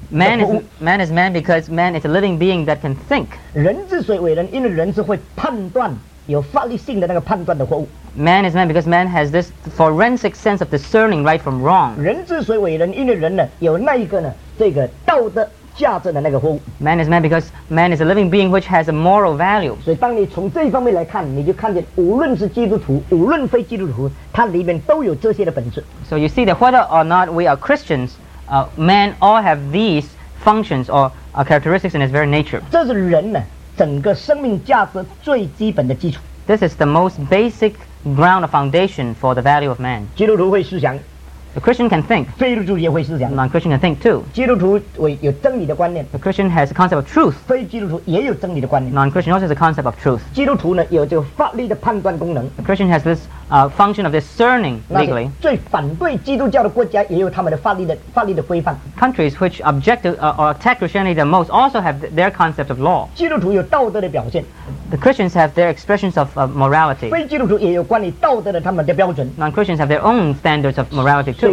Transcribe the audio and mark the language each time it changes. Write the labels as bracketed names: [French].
[English] Man is man because man is a living being that can think. [Chinese] 人之所以为人，因为人是会判断有法律性的那个判断的货物。 [English] Man is man because man has this forensic sense of discerning right from wrong. [Chinese] 人之所以为人，因为人呢有那一个呢这个道德。 [English] Man is man because man is a living being which has a moral value. [Chinese] 所以当你从这一方面来看，你就看见无论是基督徒，无论非基督徒，它里面都有这些的本质。 [English] So you see that whether or not we are Christians, man all have these functions or characteristics in his very nature. [Chinese] 这是人呢整个生命价值最基本的基础。 [English] This is the most basic ground or foundation for the value of man. [Chinese] 基督徒会思想。 [English] A Christian can think. [Chinese] 非基督徒也会思想。 [English] Non-Christian can think too. [Chinese] 基督徒有真理的观念。 [English] A Christian has a concept of truth. [Chinese] 非基督徒也有真理的观念。 [English] Non-Christian also has a concept of truth. [Chinese] 基督徒呢有这个法律的判断功能。 [English] A Christian has this function of discerning legally. [Chinese] 最反对基督教的国家也有他们的法律的规范。 [English] Countries which object or attack Christianity the most also have their concept of law. [Chinese] 基督徒有道德的表现。 [English] The Christians have their expressions of morality. [Chinese] 非基督徒也有关于道德的他们的标准。 [English] Non-Christians have their own standards of morality.